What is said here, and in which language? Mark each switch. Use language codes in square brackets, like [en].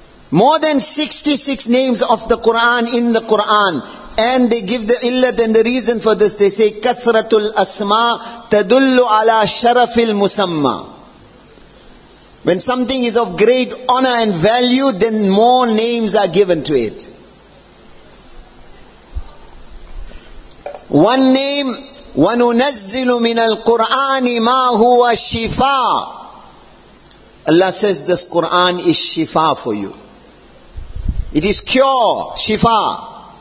[en] More than 66 names of the Quran in the Quran. And they give the illat and the reason for this. They say, [ar] Kathratul Asma tadullu ala sharafil musamma. [en] When something is of great honor and value, then more names are given to it. One name, [ar] وَنُنَزِّلُ مِنَ الْقُرْآنِ مَا هُوَ شِفَى. [en] Allah says this Quran is shifa for you. It is cure, shifa.